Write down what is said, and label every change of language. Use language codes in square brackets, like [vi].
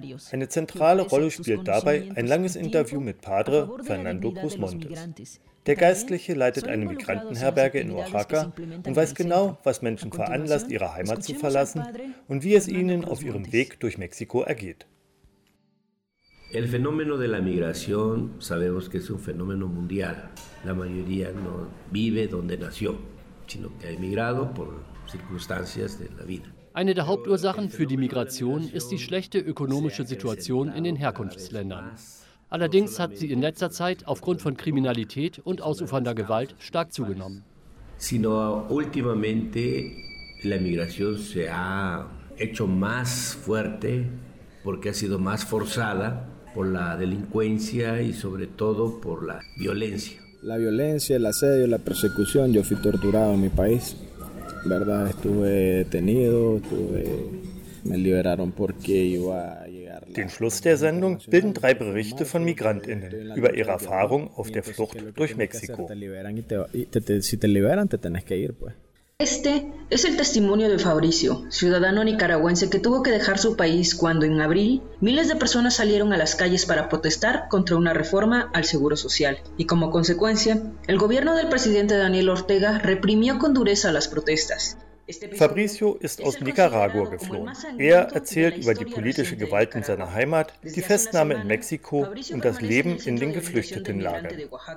[de] Eine zentrale Rolle spielt dabei ein langes Interview mit Padre Fernando Cruz Montes. Der Geistliche leitet eine Migrantenherberge in Oaxaca und weiß genau, was Menschen veranlasst, ihre Heimat zu verlassen und wie es ihnen auf ihrem Weg durch Mexiko ergeht. [es] El fenómeno de la migración sabemos que es un fenómeno mundial. La mayoría no vive donde nació, sino que ha emigrado por circunstancias de la vida. [de] Eine der Hauptursachen für die Migration ist die schlechte ökonomische Situation in den Herkunftsländern. Allerdings hat sie in letzter Zeit aufgrund von Kriminalität und ausufernder Gewalt stark zugenommen. [es] Sino últimamente la migración se ha hecho más fuerte porque ha sido más forzada. Por la delincuencia y sobre todo por la violencia. La violencia, el asedio, la persecución. Yo fui torturado en mi país, ¿verdad? Estuve detenido, me liberaron porque iba a llegar. [de] Den Schluss der Sendung bilden drei Berichte von MigrantInnen über ihre Erfahrung auf der Flucht durch Mexiko. [es] Si te liberan, te tenés que ir, pues. Este es el testimonio de Fabricio, ciudadano nicaragüense que tuvo que dejar su país cuando en abril miles de personas salieron a las calles para protestar contra una reforma al Seguro Social. Y como consecuencia, el gobierno del presidente Daniel Ortega reprimió con dureza las protestas. [de] Fabricio ist aus Nicaragua geflohen. Er erzählt über die politische Gewalt in seiner Heimat, die Festnahme in Mexiko und das Leben in den Geflüchtetenlagern.